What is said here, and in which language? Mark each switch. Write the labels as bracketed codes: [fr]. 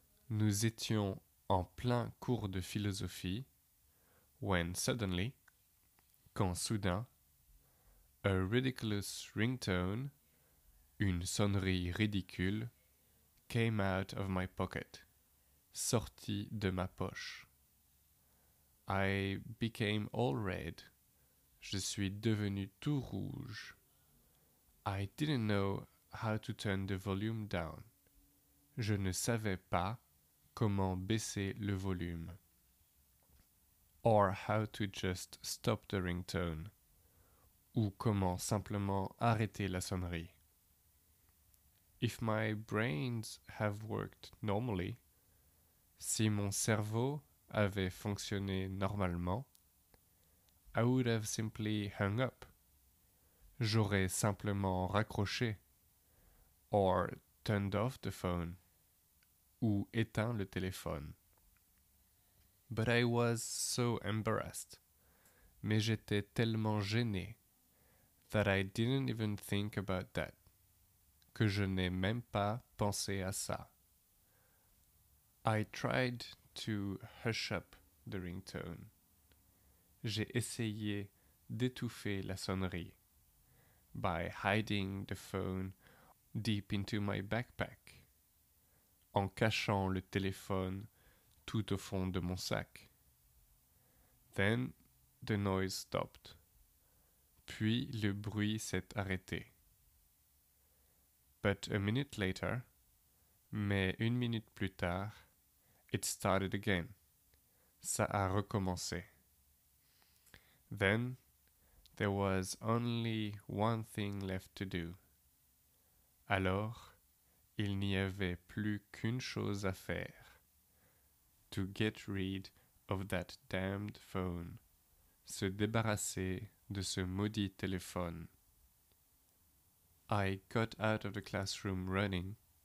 [fr] Nous étions en plein cours de philosophie, [en] when suddenly, [fr] quand soudain, [en] a ridiculous ringtone, [fr] une sonnerie ridicule, [en] came out of my pocket, [fr] sortie de ma poche. [en] I became all red. [fr] Je suis devenu tout rouge. [en] I didn't know how to turn the volume down. [fr] Je ne savais pas comment baisser le volume. [en] Or how to just stop the ringtone. [fr] Ou comment simplement arrêter la sonnerie. [en] If my brains have worked normally, [fr] si mon cerveau avait fonctionné normalement, [en] I would have simply hung up. [fr] J'aurais simplement raccroché. [en] Or turned off the phone. [fr] Ou éteint le téléphone. [en] But I was so embarrassed. [fr] Mais j'étais tellement gêné [en] that I didn't even think about that. [fr] Que je n'ai même pas pensé à ça. [en] I tried to hush up the ringtone. [fr] J'ai essayé d'étouffer la sonnerie [en] by hiding the phone deep into my backpack, [fr] en cachant le téléphone tout au fond de mon sac. [en] Then the noise stopped. [fr] Puis le bruit s'est arrêté. [en] But a minute later, [fr] mais une minute plus tard, [en] it started again. [fr] Ça a recommencé. [en] Then there was only one thing left to do. [fr] Alors, il n'y avait plus qu'une chose à faire. [en] to get rid of that damned phone. [fr] Se débarrasser de ce maudit téléphone. [en] I got out of the classroom running.